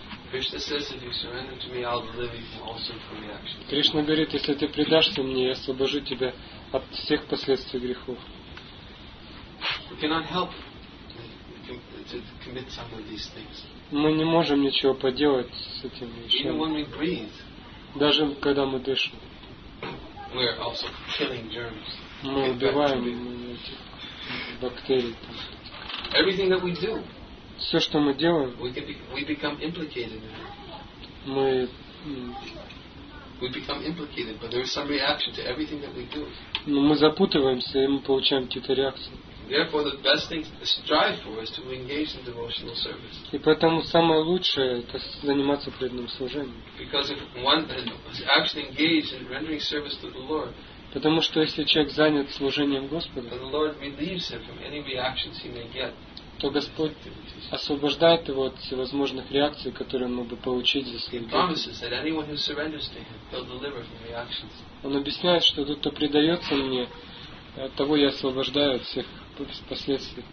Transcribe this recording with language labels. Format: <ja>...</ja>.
<en>Krishna says, if you surrender to me, I'll deliver you also from the actions.</en> <ru>Кришна говорит, если ты предашься мне, я освобожу тебя от всех последствий грехов.</ru> <en>We cannot help to commit some of these things.</en> <ru>Мы не можем ничего поделать с этим вещами.</ru> <en>Even when we breathe,</en> <ru>даже когда мы дышим,</ru> <en>we are also killing germs.</en> <ru>Мы убиваем этих бактерий.</ru> <en>Everything that we do,</en> <ru>все, что мы делаем,</ru> <en>we become implicated in it.</en> <ru>Мы</ru> <en>we become implicated, but there is some reaction to everything that we do.</en> <ru>Но мы запутываемся, и мы получаем какие-то реакции.</ru> <en>Therefore, the best thing to strive for is to engage in devotional service.</en> <ru>И поэтому самое лучшее – это заниматься преданным служением.</ru> <en>Because if one is actually engaged in rendering service to the Lord.</en> <ru>Потому что если человек занят служением Господу,</ru> <en>the Lord relieves him from any reactions he may get.</en> <ru>То Господь освобождает его от всевозможных реакций, которые он мог бы получить за свои деньги. Он объясняет, что тот, кто предается мне, от того я освобождаю от всех последствий.</ru>